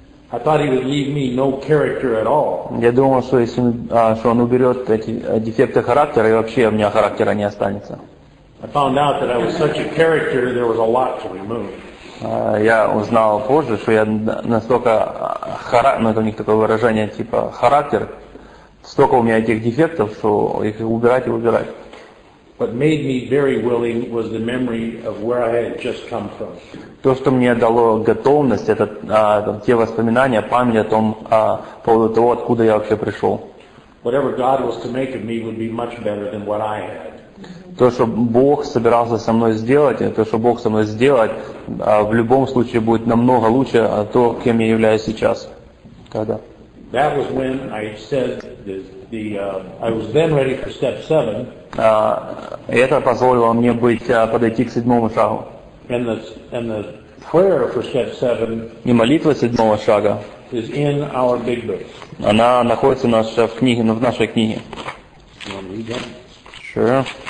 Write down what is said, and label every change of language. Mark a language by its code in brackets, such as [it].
[en] I thought He would leave me no character at all. [ru] Я думал, что если Он уберет эти дефекты характера, и вообще у меня характера не останется. [en] I found out that I was such a character, there was a lot to remove. [ru] Я узнал позже, что я настолько характер, у них такое выражение типа характер. Столько у меня этих дефектов, что их убирать и убирать. [en] What made me very willing was the memory of where I had just come from. [ru] То, что мне дало готовность, это те воспоминания, память о том, по поводу того, откуда я вообще пришел. [en] Whatever God was to make of me would be much better than what I had. [ru] То, что Бог собирался со мной сделать, то, что Бог со мной сделает, в любом случае будет намного лучше то, кем я являюсь сейчас. Когда? [en] That was when I said I was then ready for step seven. [ru] Это позволило мне подойти к седьмому шагу. [en] And the prayer for step seven. [ru] И молитва седьмого шага. [en] Is in our big book. [ru] Она находится в нашей книге. [en] You want to read that? Sure.